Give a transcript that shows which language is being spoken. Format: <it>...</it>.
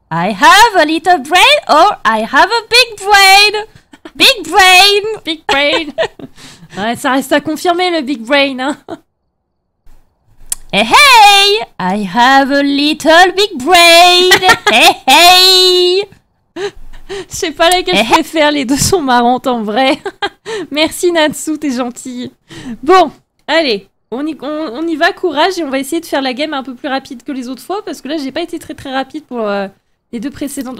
<en>I have a little brain or I have a big brain. Big brain. Big brain.</en> <fr>Ouais, ça reste à confirmer le big brain. Hein.</fr> <en>Hey, hey, I have a little big brain. Hey, hey.</en> <fr>Je sais pas laquelle je préfère, les deux sont marrantes en vrai. Merci Natsu, t'es gentille. Bon, allez, on y va, courage, et on va essayer de faire la game un peu plus rapide que les autres fois, parce que là j'ai pas été très très rapide pour les deux précédentes.</fr>